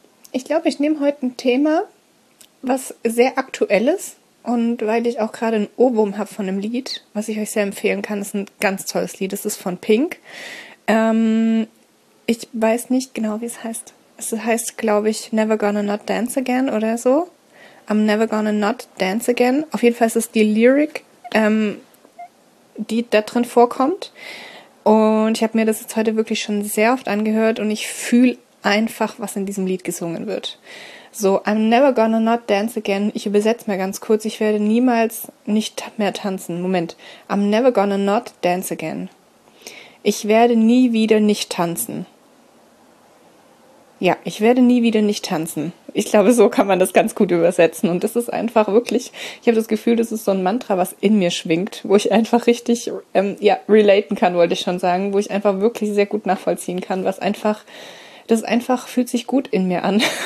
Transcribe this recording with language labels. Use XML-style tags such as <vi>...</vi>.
<de>Ich glaube, ich nehme heute ein Thema, was sehr aktuell ist und weil ich auch gerade ein Ohrwurm habe von einem Lied, was ich euch sehr empfehlen kann, ist ein ganz tolles Lied, es ist von Pink. Ich weiß nicht genau, wie es heißt. Es heißt, glaube ich, Never Gonna Not Dance Again oder so.</de> <en>I'm never gonna not dance again.</en> <de>Auf jeden Fall ist es die Lyric, die da drin vorkommt. Und ich habe mir das jetzt heute wirklich schon sehr oft angehört und ich fühle einfach, was in diesem Lied gesungen wird.</de> <en>So, I'm never gonna not dance again.</en> <de>Ich übersetze mal ganz kurz. Ich werde niemals nicht mehr tanzen. Moment.</de> <en>I'm never gonna not dance again.</en> <de>Ich werde nie wieder nicht tanzen. Ja, ich werde nie wieder nicht tanzen. Ich glaube, so kann man das ganz gut übersetzen. Und das ist einfach wirklich, ich habe das Gefühl, das ist so ein Mantra, was in mir schwingt, wo ich einfach richtig, ja, relaten kann, wollte ich schon sagen, wo ich einfach wirklich sehr gut nachvollziehen kann, was einfach, das einfach fühlt sich gut in mir an.</de>